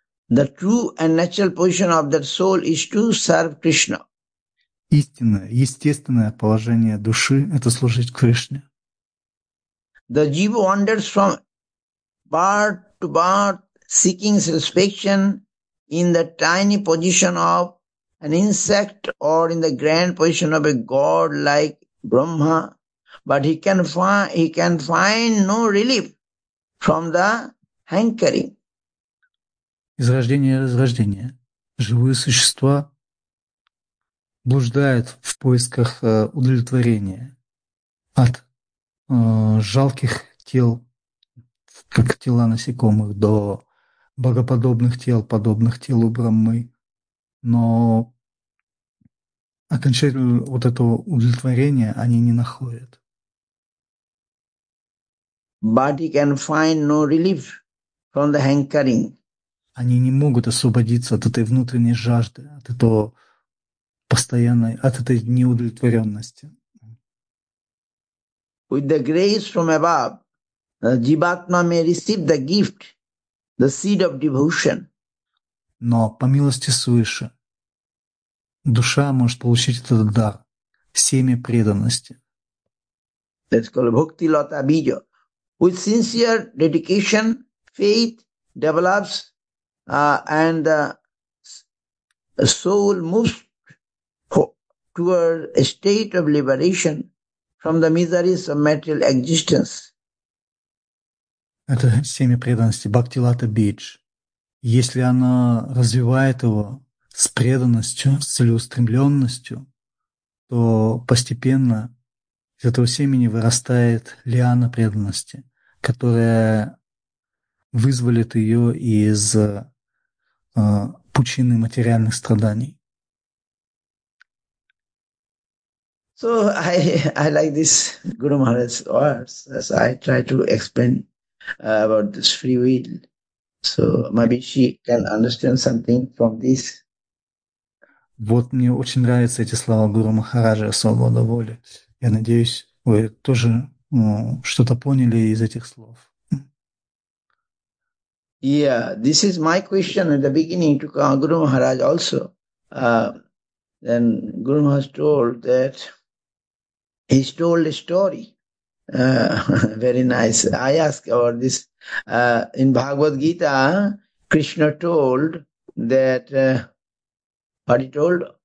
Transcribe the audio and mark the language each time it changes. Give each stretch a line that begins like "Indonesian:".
English: The true and natural position of that soul is to serve Krishna.
Russian: Истинное, естественное положение души – это служить Кришне.
English: The jiva wanders from birth to birth, seeking satisfaction in the tiny position of an insect or in the grand position of a god like Brahma, but he can find no relief from the hankering.
Russian: Из рождения и разрождения живые существа блуждают в поисках удовлетворения от жалких тел, как тела насекомых, до богоподобных тел, подобных телу Брахмы. Но окончательно вот этого удовлетворения они не находят.
English: Body can find no relief from the hankering.
Russian: Они не могут освободиться от этой внутренней жажды, от этого постоянной, от этой неудовлетворенности.
English: With the grace from above, jivatma may receive the gift, the seed of devotion.
Russian: Но по милости свыше душа может получить этот дар, семя преданности.
English: That's called bhakti lata bija. With sincere dedication, faith develops, and soul moves toward a state of liberation from the miseries of material existence.
Russian: Это семя преданности, Бхактилата Бидж. Если она развивает его с преданностью, с целеустремленностью, то постепенно из этого семени вырастает лиана преданности, которая вызволит ее из пучины материальных страданий.
English: So I like this Guru Maharaj's words as I try to explain about this free will. So maybe she can understand something from this.
Russian: Вот мне очень нравятся эти слова Гуру Махараджа, свобода воли. Я надеюсь, вы тоже что-то поняли из этих слов.
English: Yeah, this is my question at the beginning to Guru Maharaj also. Then Guru Maharaj told that he told a story. Very nice. I asked about this. In Bhagavad Gita, Krishna told that, what he told?